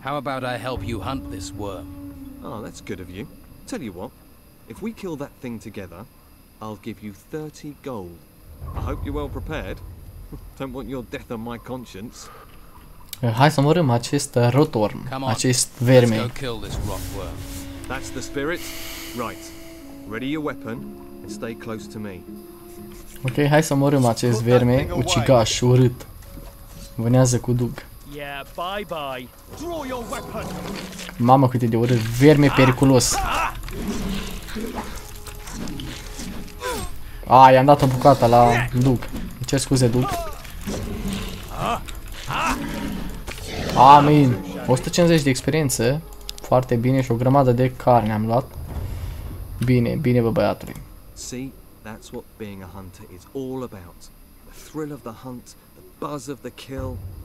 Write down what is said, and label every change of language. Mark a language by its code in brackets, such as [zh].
[en] How about I help you hunt this worm? Oh, that's good of you. Tell you what, if we kill that thing together, I'll give you 30 gold. I hope you're well prepared. Don't want your death on my conscience. [ro] Hai să omorâm acest rotworm, acest verme. [en] Let's go kill this rockworm. That's the spirit. Right. Ready your weapon and stay close to me. [ro] Ok, hai să omorâm acest verme ucigaș urât. Vânează cu Doug. [en] Yeah, bye bye. Draw your weapon. [ro] Mamă, cât e de urât, verme periculos. Ah, i-am dat o bucată la Duc. Ce scuze, Duc. Amin. 150 de experiență. Foarte bine și o grămadă de carne am luat. Bine, bine bă băiatule. [en] See, that's what being a hunter is all about. The thrill of the hunt, the buzz of the kill.